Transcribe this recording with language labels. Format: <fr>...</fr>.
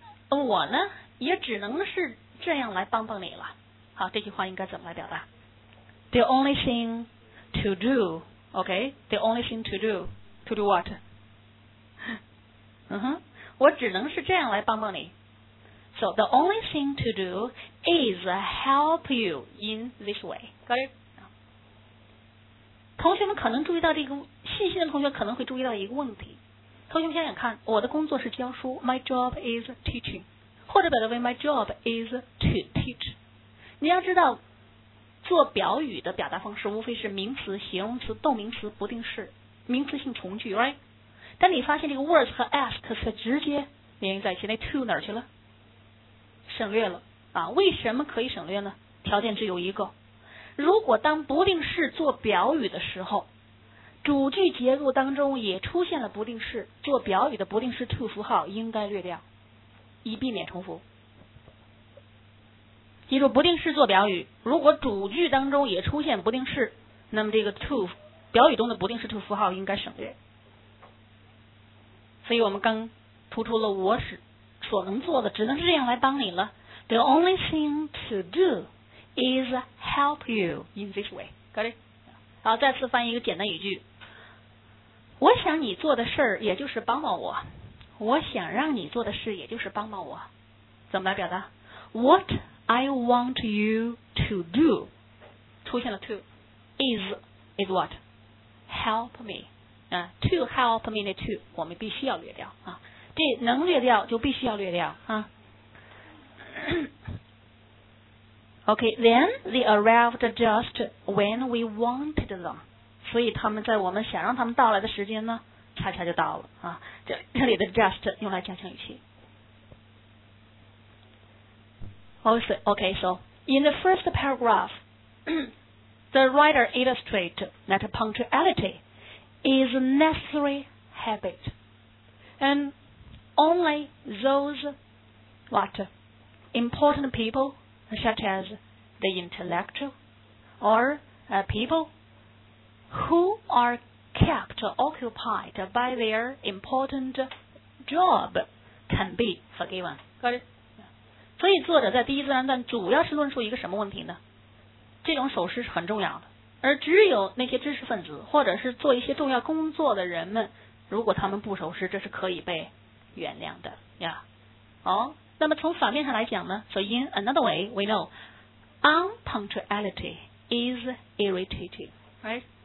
<zh>我呢也只能是这样来帮帮你了。好，这句话应该怎么来表达？</zh> <en>The only thing to do, okay? The only thing to do what?</en> <zh>我只能是这样来帮帮你。</zh> <en>So the only thing to do is help you in this way. Got it?</en> <zh>同学们可能注意到这个，细心的同学可能会注意到一个问题。同学们想想看，我的工作是教书 ，</zh> <en>my job is teaching，</en> <zh>或者表达为</zh> <en>my job is to teach。</en> <zh>你要知道。做表语的表达方式无非是名词、形容词、动名词、不定式、名词性从句 ，right？但你发现这个 was 和 ask 是直接连在一起，那 to 哪儿去了？省略了啊？为什么可以省略呢？条件只有一个：如果当不定式做表语的时候，主句结构当中也出现了不定式，做表语的不定式 to 符号应该略掉，以避免重复。记住不定式做表语，如果主句当中也出现不定式，那么这个 to 表语中的不定式 to 符号应该省略。所以我们刚突出了我所能做的只能是这样来帮你了。 The only thing to do is help you in this way. Got it? 好，再次翻译一个简单语句。我想你做的事也就是帮帮我，我想让你做的事也就是帮帮我，怎么来表达？</zh> <en>What I want you to do</en> <zh>出现了</zh> <en>to is what help me to help me</en> <zh>那 to 我们必须要略掉啊，这能略掉就必须要略掉啊。</zh> <en>OK, then they arrived just when we wanted them.</en> <zh>所以他们在我们想让他们到来的时间呢，恰恰就到了啊。这里的 just 用来加强语气。</zh> <en>Okay, so in the first paragraph, the writer illustrates that punctuality is a necessary habit. And only those important people, such as the intellectual or people who are kept occupied by their important job can be forgiven. Got it?</en> <zh>所以作者在第一自然段主要是论述一个什么问题呢？这种守时是很重要的，而只有那些知识分子或者是做一些重要工作的人们，如果他们不守时，这是可以被原谅的呀。好，那么从反面上来讲呢，</zh> <en>So in another way we know unpunctuality is irritating, right?</en>